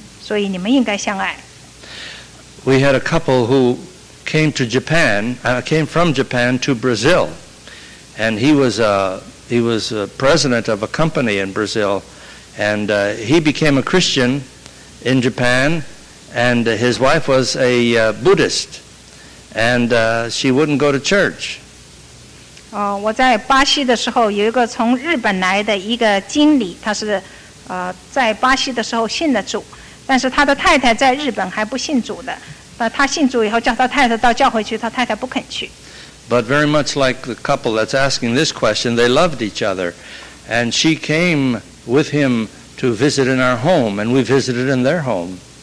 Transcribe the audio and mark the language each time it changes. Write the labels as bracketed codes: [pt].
[zh] 若是你的配偶是不信的，你们彼此相爱、彼此了解是好的。有保罗说到，若是你的配偶不信的话，可能因为你的信使你的配偶能够成圣，所以你们应该相爱。 [en] We had a couple who came from Japan to Brazil, and he was president of a company in Brazil, and he became a Christian in Japan, And his wife was a Buddhist, and she wouldn't go to church. [zh] 我在巴西的时候有一个从日本来的一个经理，他是在巴西的时候信的主，但是他的太太在日本还不信主的，但他信主以后叫他太太到教会去，他太太不肯去。 [en] But very much like the couple that's asking this question, they loved each other. And she came with him to visit in our home, and we visited in their home.